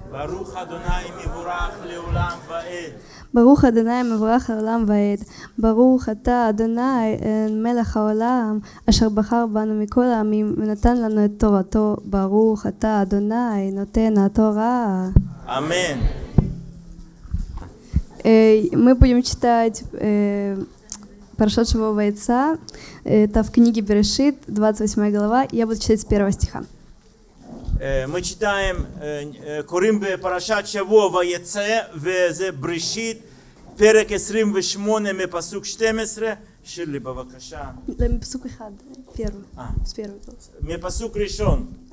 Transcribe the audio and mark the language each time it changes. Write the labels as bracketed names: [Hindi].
[Hebrew] ברוך אדוני מבורך לעולם ועד. ברוך אדוני מבורך לעולם ועד. ברוך אתה אדוני מלך העולם אשר בחר בנו מכל העמים ונתן לנו את תורתו. ברוך אתה אדוני נותן התורה. אמן. [Russian] Мы будем читать [Hebrew] פרשת שבוע ויצא, [Russian] תו книги Берешит, 28 глава. Я буду читать с первого стиха. Мы читаем, [Hebrew] קוראים בפרשת שבוע ויצא, וזה בראשית, פרק 28 מפסוק 12, שירלי בבקשה. לא, מפסוק אחד, פרו. מפסוק ראשון.